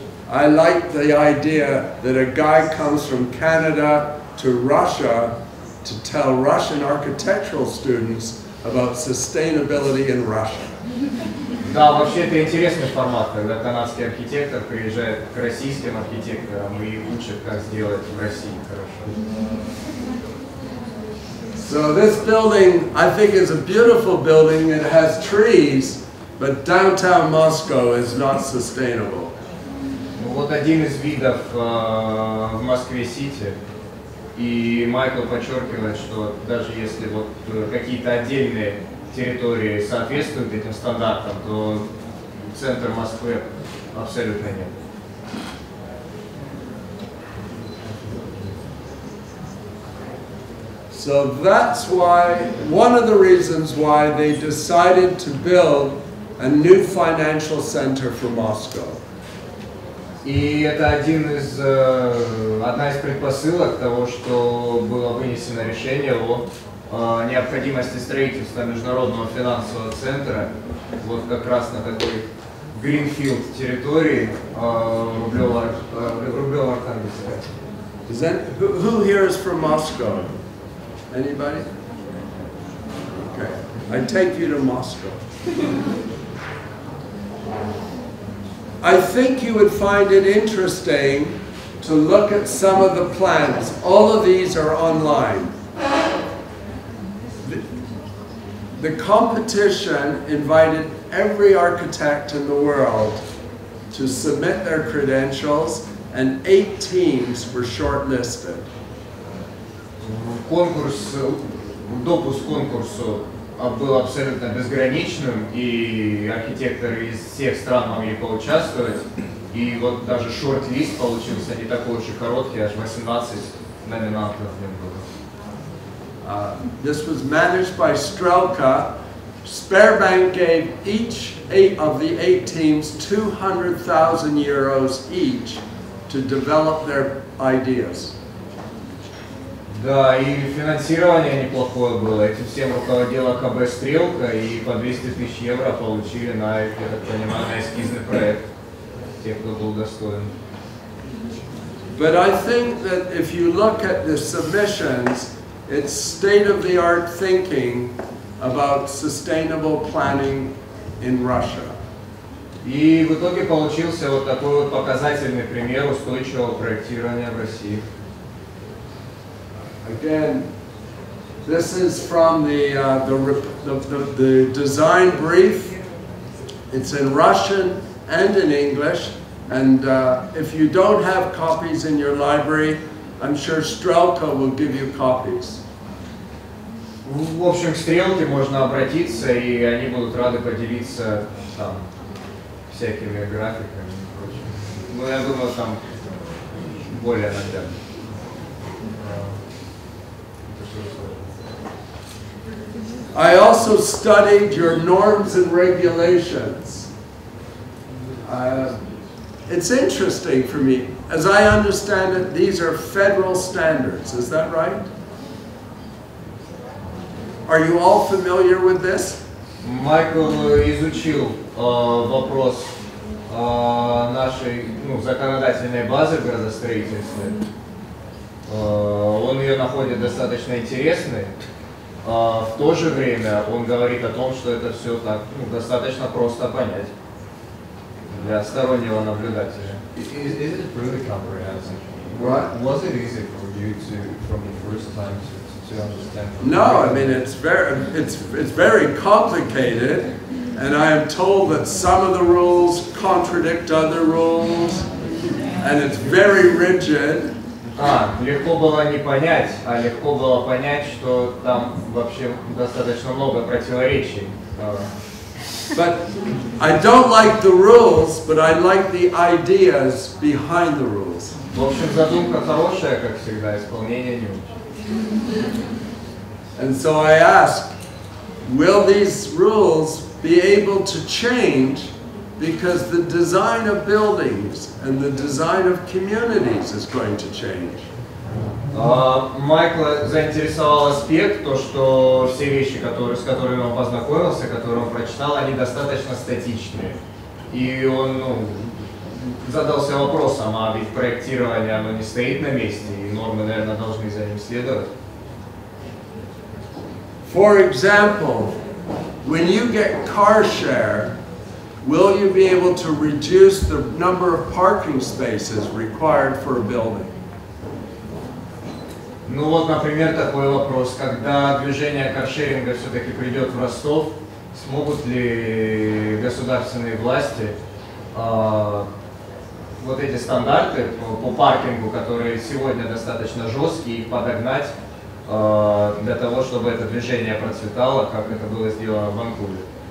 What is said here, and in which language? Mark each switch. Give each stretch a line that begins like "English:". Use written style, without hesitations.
English: I like the idea that a guy comes from Canada to Russia to tell Russian architectural students about sustainability in Russia.
Russian: Да, вообще это интересный формат, когда канадский архитектор приезжает к российским архитекторам и учит, как сделать в России хорошо.
English: So this building, I think, is a beautiful building. It has trees, but downtown Moscow is not sustainable.
Russian: Ну, вот один из видов в Москве-Сити. И Майкл подчеркивает, что даже если вот какие-то отдельные территории соответствуют этим стандартам, то центр Москвы абсолютно нет.
English: So that's why, one of the reasons why they decided to build a new financial center for Moscow.
Russian: И это один из, одна из предпосылок того, что было вынесено решение о необходимости строительства международного финансового центра, вот как раз на такой Greenfield территории Рублёва-Архангельска.
English: Who here is from Moscow? Anybody? Okay. I take you to Moscow. I think you would find it interesting to look at some of the plans. All of these are online. The competition invited every architect in the world to submit their credentials, and 8 teams were shortlisted.
Russian: Конкурс, допуск к конкурсу был абсолютно безграничным, и архитекторы из всех стран могли поучаствовать. И вот даже шорт-лист получился не такой уж и короткий, аж 18 номинантов в нем было.
English: This was managed by Strelka. Sparebank gave each eight of the eight teams 200,000 euros each to develop their ideas.
Russian: Да, и финансирование неплохое было. Эти всем руководила КБ Стрелка, и по 200 тысяч евро получили на, я так понимаю, на эскизный проект тех, кто был достоин.
English: But I think that if you look at the submissions, it's state-of-the-art thinking about sustainable planning in Russia.
Russian: И в итоге получился вот такой вот показательный пример устойчивого проектирования в России.
English: Again, this is from the design brief. It's in Russian and in English. And if you don't have copies in your library, I'm sure Strelka will give you copies.
Russian: В общем, к Стрелке можно обратиться, и они будут рады поделиться там всякой всякими графиками и прочим. Ну, я думаю, там более наглядно.
English: I also studied your norms and regulations. It's interesting for me. As I understand it, these are federal standards. Is that right? Are you all familiar with this?
Russian: Майкл изучил вопрос нашей, ну, законодательной базы в градостроительстве. Он ее находит достаточно интересной. В то же время он говорит о том, что это все так, ну, достаточно просто понять для стороннего наблюдателя.
English: Is it really comprehensive? What? Was it easy for you to, from the first time, to understand? No, I mean, it's very complicated, and I am told that some of the rules contradict other rules, and it's very rigid.
Russian: Легко было не понять, а легко было понять, что там вообще достаточно много противоречий.
English: But I don't like the rules, but I like the ideas behind the rules.
Russian: В общем, задумка хорошая, как всегда, исполнение не очень.
English: And so I ask, will these rules be able to change? Because the design of buildings and the design of communities is going to change.
Russian: Майкла заинтересовал аспект, то, что все вещи, которые, с которыми он познакомился, которые он прочитал, они достаточно статичные. И он, ну, задался вопросом, а ведь проектирование, оно не стоит на месте, и нормы, наверное, должны за ним следовать.
English: For example, when you get car share, will you be able to reduce the number of parking spaces required for a building?
Russian: Ну вот, например, такой вопрос. Когда движение каршеринга все-таки придет в Ростов, смогут ли государственные власти вот эти стандарты по паркингу, которые сегодня достаточно жесткие, их подогнать для того, чтобы это движение процветало, как это было сделано в Ванкувере?